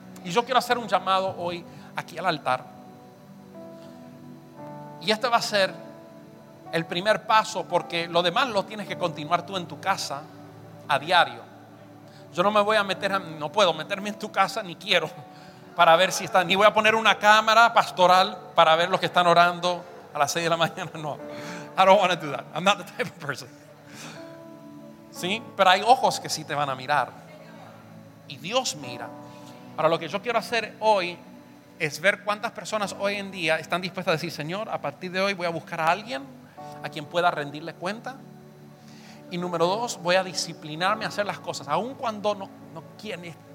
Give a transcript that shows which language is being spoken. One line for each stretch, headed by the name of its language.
Spanish: Y yo quiero hacer un llamado hoy aquí al altar, y este va a ser el primer paso, porque lo demás lo tienes que continuar tú en tu casa a diario. Yo no me voy a meter, no puedo meterme en tu casa, ni quiero, para ver si están, ni voy a poner una cámara pastoral para ver los que están orando a las 6 de la mañana.
English: No, I don't want to do that. I'm not the type of person.
Spanish: ¿Sí? Pero hay ojos que sí te van a mirar, y Dios mira. Ahora, lo que yo quiero hacer hoy es ver cuántas personas hoy en día están dispuestas a decir, Señor, a partir de hoy voy a buscar a alguien a quien pueda rendirle cuenta. Y número dos, voy a disciplinarme a hacer las cosas, aun cuando no quieren.